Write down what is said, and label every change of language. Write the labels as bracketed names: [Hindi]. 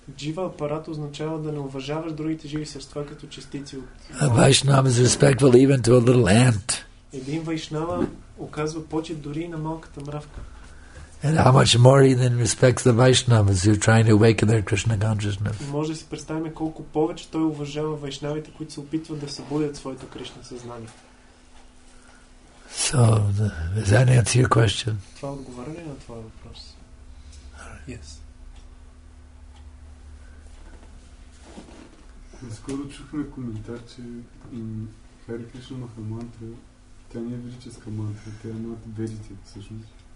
[Bulgarian] Jiva aparad означава да не уважаваш другите живи същества като частици от. [English] A Vaishnava is respectful even to a little ant. [Bulgarian] Един Вайшнава оказва почет дори на малката мравка. [English] And how much more he then respects the Vaishnavas who are trying to awaken their Krishna consciousness. [Bulgarian] Може си представиме колко повече той уважава Вайшнавите, които се опитват да събудят своето Кришна съзнание. [English] So, does that answer your question? [Bulgarian] Това отговаря ли на твоя въпрос? [English] Yes. [Bulgarian] Наскоро чухме коментар, че Хари Кришна Маха мантра, тя не е ведическа мантра, тя е над ведите, всъщност.